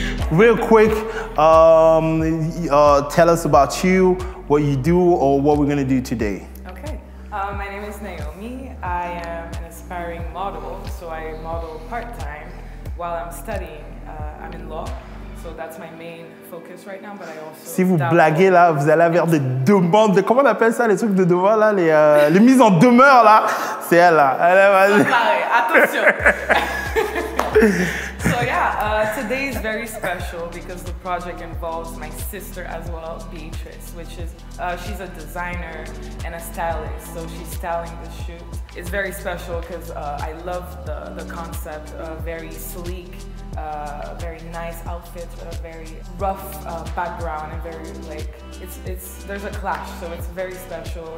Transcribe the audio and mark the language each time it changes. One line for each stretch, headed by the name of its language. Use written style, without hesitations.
English: Real quick, tell us about you, what you do, or what we're gonna do today. Okay, my name is Naomi. I am an aspiring model, so I model part-time while I'm studying. I'm in law, so that's my main focus right now, but I also...
French: Si vous blaguez là, vous allez avoir des demandes, de, comment on appelle ça, les trucs de devoir là, les mises en demeure là, c'est elle là. Allez, vas-y. Attention.
English: So yeah, today is very special because the project involves my sister as well, Beatrice, which is, she's a designer and a stylist, so she's styling the shoot. It's very special because I love the concept, very sleek, very nice outfit, a very rough background, and very like, there's a clash, so it's very special.